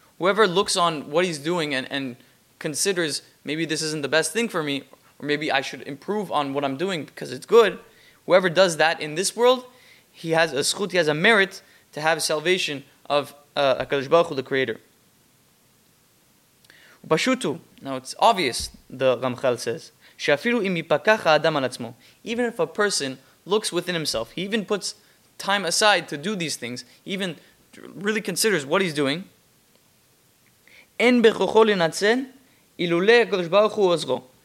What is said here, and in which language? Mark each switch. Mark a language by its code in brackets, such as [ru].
[en] Whoever looks on what he's doing and considers maybe this isn't the best thing for me, or maybe I should improve on what I'm doing because it's good. Whoever does that in this world, he has a zchut, he has a merit to have salvation of HaKadosh Baruch Hu, the Creator. [he] Pashutu. [en] Now it's obvious, the Ramchal says, [he] שאפילו אם יפקח האדם על עצמו, [en] even if a person looks within himself, he even puts time aside to do these things, he even really considers what he's doing, [he] אין בכוחו לנצל, אילולא הקדוש ברוך הוא עוזרו.